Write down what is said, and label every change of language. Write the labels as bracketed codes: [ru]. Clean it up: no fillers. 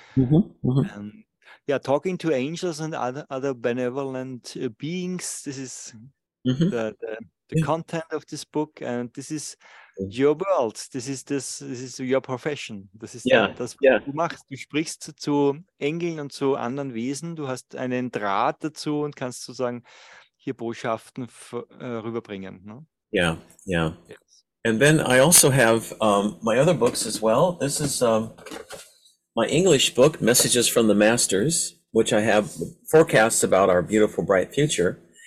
[en] Mm-hmm. Ja, Talking to Angels and Other Benevolent Beings, this is mm-hmm. the yeah. content of this book and this is your world, this is your profession, this is yeah. [de] was du machst. Du sprichst zu Engeln und zu anderen Wesen, du hast einen Draht dazu und kannst sozusagen hier Botschaften rüberbringen, ne? [en] Yeah. And then I also have my other books as well. This is my English book, Messages from the Masters, which I have forecasts about our beautiful, bright future.